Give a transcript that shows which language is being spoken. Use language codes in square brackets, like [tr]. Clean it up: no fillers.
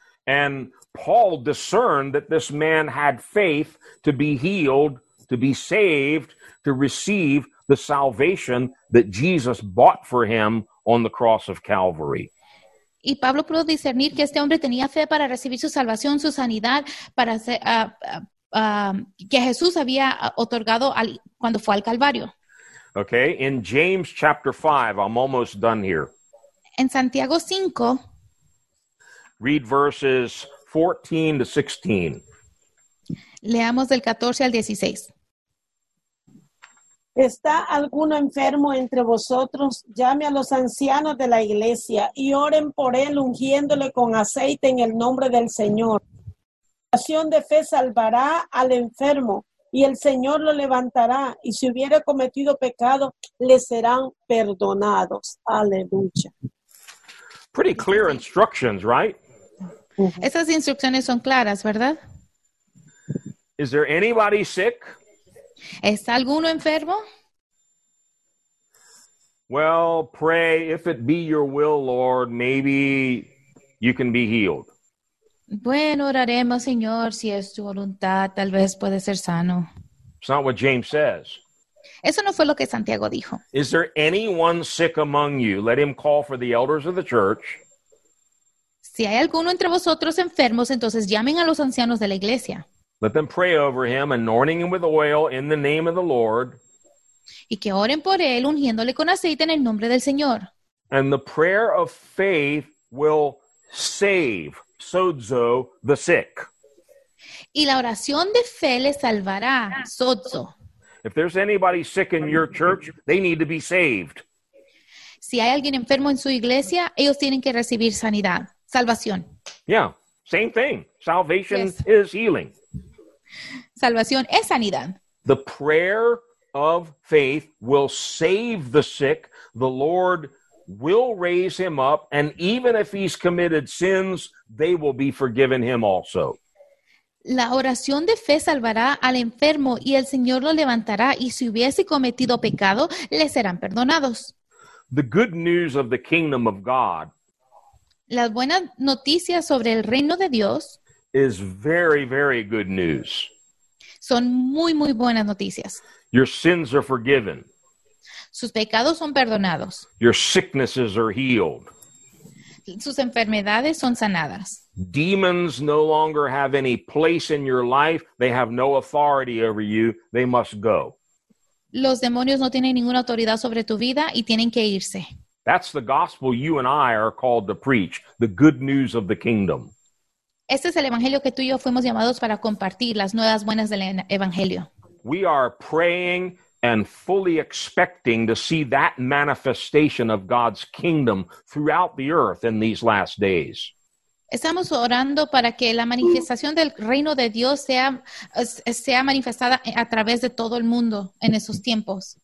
[en] And Paul discerned that this man had faith to be healed, to be saved, to receive the salvation that Jesus bought for him on the cross of Calvary. [es] Y Pablo pudo discernir que este hombre tenía fe para recibir su salvación, su sanidad, para ser, que Jesús había otorgado cuando fue al Calvario. [en] Okay, in James chapter 5, I'm almost done here. [es] En Santiago 5. [en] Read verses 14 to 16. [es] Leamos del 14 al 16. ¿Está alguno enfermo entre vosotros? Llame a los ancianos de la iglesia y oren por él ungiéndole con aceite en el nombre del Señor. La oración de fe salvará al enfermo y el Señor lo levantará y si hubiera cometido pecado, le serán perdonados. Aleluya. [en] Pretty clear instructions, right? [es] Esas instrucciones son claras, ¿verdad? [en] Is there anybody sick? [es] ¿Está alguno enfermo? [en] Well, pray, if it be your will, Lord, maybe you can be healed. [es] Bueno, oraremos, Señor, si es tu voluntad, tal vez puede ser sano. [en] It's not what James says. [es] Eso no fue lo que Santiago dijo. [en] Is there anyone sick among you? Let him call for the elders of the church. [es] Si hay alguno entre vosotros enfermos, entonces llamen a los ancianos de la iglesia. [en] Let them pray over him, anointing him with oil in the name of the Lord. [es] Y que oren por él, ungiéndole con aceite en el nombre del Señor. [en] And the prayer of faith will save, sozo, the sick. [es] Y la oración de fe le salvará, sozo. [en] If there's anybody sick in your church, they need to be saved. [es] Si hay alguien enfermo en su iglesia, ellos tienen que recibir sanidad, salvación. [en] Yeah, same thing. Salvation yes. is healing. [es] Salvación es sanidad. [en] The prayer of faith will save the sick. The Lord will raise him up, and even if he's committed sins, they will be forgiven him also. [es] La oración de fe salvará al enfermo, y el Señor lo levantará, y si hubiese cometido pecado, le serán perdonados. [en] The good news of the kingdom of God. [es] Las buenas noticias sobre el reino de Dios. [en] Is very, very good news. [es] Son muy, muy buenas noticias. [en] Your sins are forgiven. [es] Sus pecados son perdonados. [en] Your sicknesses are healed. [es] Sus enfermedades son sanadas. [en] Demons no longer have any place in your life. They have no authority over you. They must go. [es] Los demonios no tienen ninguna autoridad sobre tu vida y tienen que irse. [en] That's the gospel you and I are called to preach. The good news of the kingdom. [es] Este es el evangelio que tú y yo fuimos llamados para compartir, las nuevas buenas del evangelio. [en] We are praying and fully expecting to see that manifestation of God's kingdom throughout the earth in these last days. [es] Estamos orando para que la manifestación del reino de Dios sea manifestada a través de todo el mundo en esos tiempos.